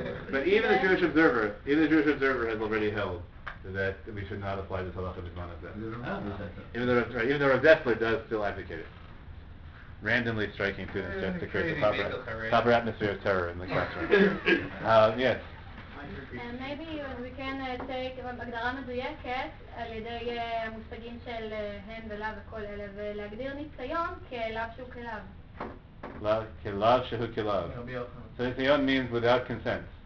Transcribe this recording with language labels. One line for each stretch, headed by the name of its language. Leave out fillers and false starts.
English: But even the Jewish observer, has already held that we should not apply the halacha b'zman hazeh. Even though Rav Dessler does still advocate it. Randomly striking students just to create the proper atmosphere of terror in the classroom. yes.
Hebrew: Maybe we can take הגדרה מדויקת על ידי המושגים של הן ולאו וכל אלה ולהגדיר ניסיון כלאו שהוא כלאו. Kilav shehu kilav.
English: So nitsayon means without consent.